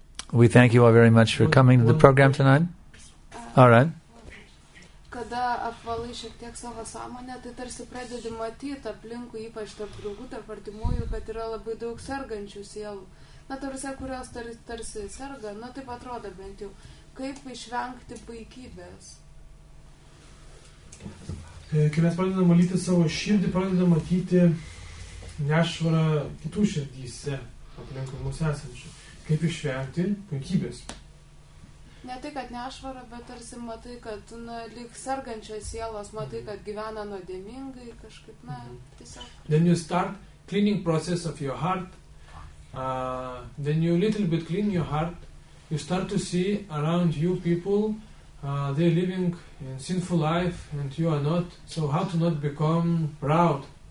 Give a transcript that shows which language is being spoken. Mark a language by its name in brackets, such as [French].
[English] We thank you all very much for coming to the program tonight. All right. [Lithuanian] Kada apvalai šiek tiek savo sąmonę, tai tarsi pradedi matyti aplinkui, ypač tarp draugų, tarp artimųjų, kad yra labai daug sergančių sielų. Na, tarsi, kurios tarsi serga, na, taip atrodo bent jau. Kaip išvengti puikybės? Kai mes pradedam valyti savo širdį, pradedam matyti nešvarą kitų širdyse aplinkui mūsų esančių. Kaip išvengti puikybės? Ne tai, kad nešvara, bet tarsi matai, kad na, lyg sergančios sielos, matai, kad gyvena nuodėmingai, kažkaip, na, tiesiog. [English] Then you start cleaning process of your heart. Then you little bit clean your heart. You start to see around you people, they're living in sinful life and you are not. So how to not become proud?